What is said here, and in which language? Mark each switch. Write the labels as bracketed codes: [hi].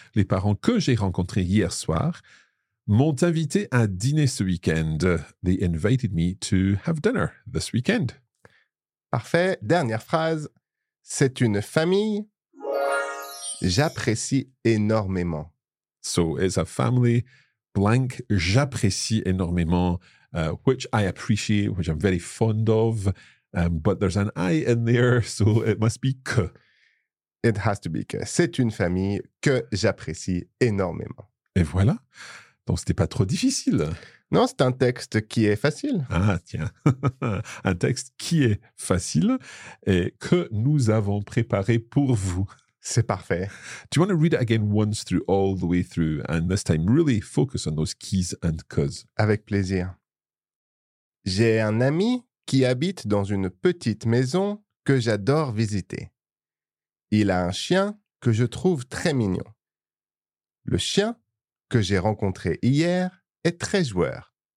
[fr] Les parents que j'ai rencontré hier soir m'ont invité à dîner ce week-end. [en] They invited me to have dinner this weekend. [fr] Parfait. Dernière phrase. C'est une famille. J'apprécie énormément. [en] So, it's a family. Blank. [fr] J'apprécie énormément. [en] Which I appreciate, which I'm very fond of. But there's an I in there, so it must be que. It has to be que. [fr] C'est une famille que j'apprécie énormément. Et voilà. Donc, c'était pas trop difficile. Non, c'est un texte qui est facile. Ah, tiens. Un texte qui est facile et que nous avons préparé pour vous. C'est parfait. [en] Do you want to read it again once through, all the way through, and this time really focus on those keys and cause? [fr] Avec plaisir. J'ai un ami qui habite dans une petite maison que j'adore visiter. Il a un chien que je trouve très mignon. Le chien que j'ai rencontré hier est très joueur.